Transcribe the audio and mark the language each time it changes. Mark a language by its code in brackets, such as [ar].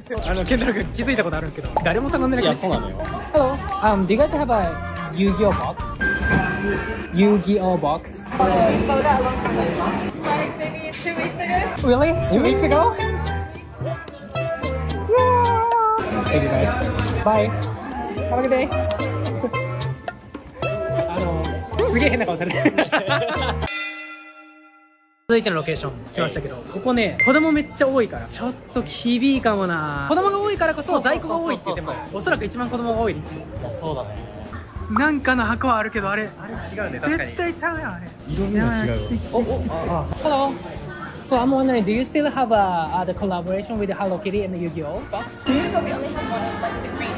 [ja] あのケンタロウ君気づいたことあるんですけど、誰も頼んでなかった。いや、そうなのよ。 [en] Do you guys have a Yu-Gi-Oh box? Yu-Gi-Oh box? We sold out a long time ago. Like maybe 2 weeks ago. Really? 2 weeks ago? Yeah. Thank you guys. Bye. Have a good day. [ja] あのすげえ変な顔されてる。続いてのロケーション来ましたけど、ここね、子供めっちゃ多いから、ちょっと厳しいかもな。子供が多いからこそ、在庫が多いって言っても、おそらく一番子供が多い率です。いや、そうだね。なんかの箱はあるけど、あれ。あれ違うね、確かに。絶対ちゃうやん、あれ。色味が違うわ。 [en] Hello. So I'm wondering, do you still have a the collaboration with Hello Kitty and the Yu-Gi-Oh! box? We only have one, like the green